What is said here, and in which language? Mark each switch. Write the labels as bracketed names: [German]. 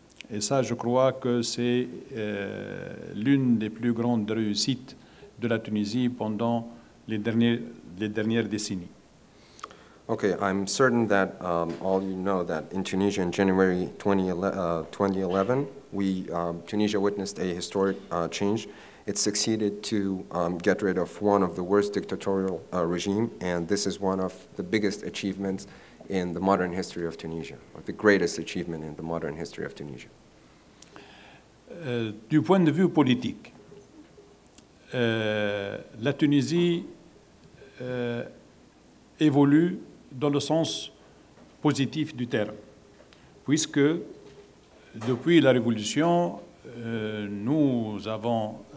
[French] Et ça, je crois que c'est l'une des plus grandes réussites de la Tunisie pendant les dernières décennies. [English] Okay, I'm certain that all you know that in Tunisia in January 2011, Tunisia witnessed a historic change. It succeeded to get rid of one of the worst dictatorial regime, and this is one of the biggest achievements in the modern history of Tunisia, or the greatest achievement in the modern history of Tunisia. [French] Du point de vue politique, la Tunisie évolue dans le sens positif du terme, puisque depuis la Révolution, nous avons